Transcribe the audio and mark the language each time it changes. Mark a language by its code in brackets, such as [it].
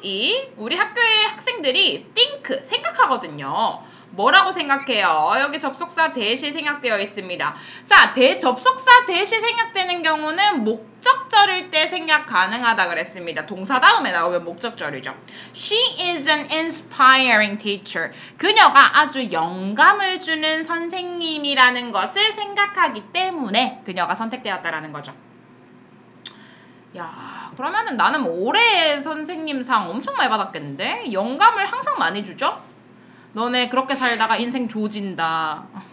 [ko] 이 우리 학교의 학생들이 think, 생각하거든요. 뭐라고 생각해요? 여기 접속사 대시 생략되어 있습니다. 자, 접속사 대시 생략되는 경우는 목적절일 때 생략 가능하다 그랬습니다. 동사 다음에 나오면 목적절이죠. [en] She is an inspiring teacher. [ko] 그녀가 아주 영감을 주는 선생님이라는 것을 생각하기 때문에 그녀가 선택되었다라는 거죠. 야, 그러면은 나는 올해 선생님상 엄청 많이 받았겠는데? 영감을 항상 많이 주죠? 너네 그렇게 살다가 인생 조진다.